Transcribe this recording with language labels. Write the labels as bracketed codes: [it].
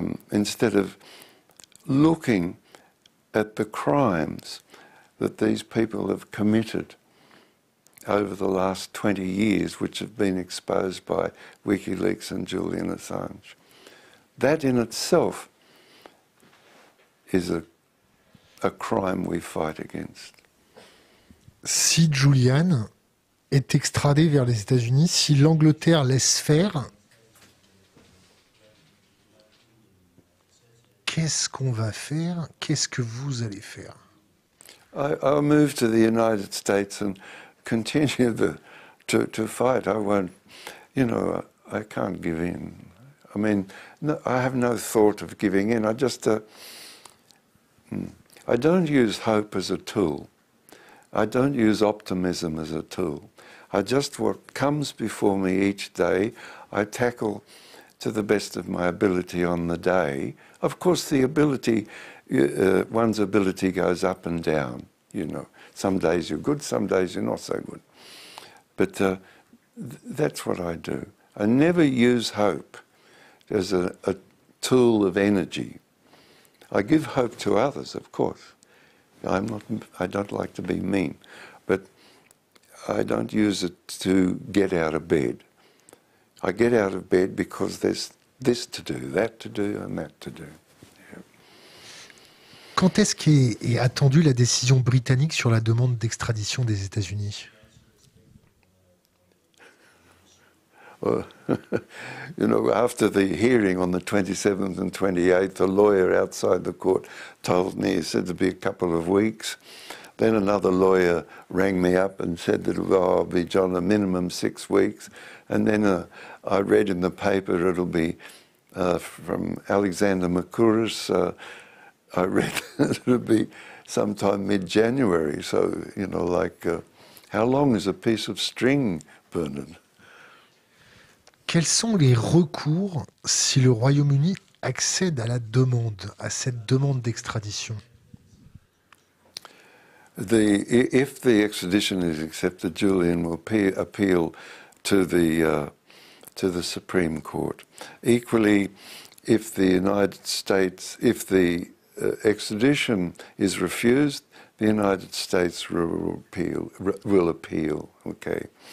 [en] instead of looking at the crimes that these people have committed over the last 20 years, which have been exposed by WikiLeaks and Julian Assange. That in itself is a crime we fight against. [fr] Si Julian est extradé vers les États-Unis, si l'Angleterre laisse faire, qu'est-ce qu'on va faire? Qu'est-ce que vous allez faire? [en] I'll move to the United States and continue to fight. I won't, you know, I can't give in. I mean, no, I have no thought of giving in. I don't use hope as a tool. I don't use optimism as a tool. I just, what comes before me each day, I tackle to the best of my ability on the day. Of course, the ability, one's ability goes up and down, you know. Some days you're good, some days you're not so good. But that's what I do. I never use hope as a tool of energy. I give hope to others, of course. I don't like to be mean, but I don't use it to get out of bed. I get out of bed because there's this to do, that to do, and that to do. [fr] Quand est-ce qu'est attendue la décision britannique sur la demande d'extradition des États-Unis? [en] Well, you know, after the hearing on the 27th and 28th, the lawyer outside the court told me, he said it'd be a couple of weeks. Then another lawyer rang me up and said that it'll be, John, a minimum 6 weeks. And then I read in the paper it'll be from Alexander Makouris. I read it'll be sometime mid-January. So, you know, like, how long is a piece of string, Bernard? [fr] Quels sont les recours si le Royaume-Uni accède à la demande, à cette demande d'extradition? [en] If the extradition is accepted, Julian will appeal to the Supreme Court. Equally, if the United States, if the extradition is refused, the United States will appeal. Okay.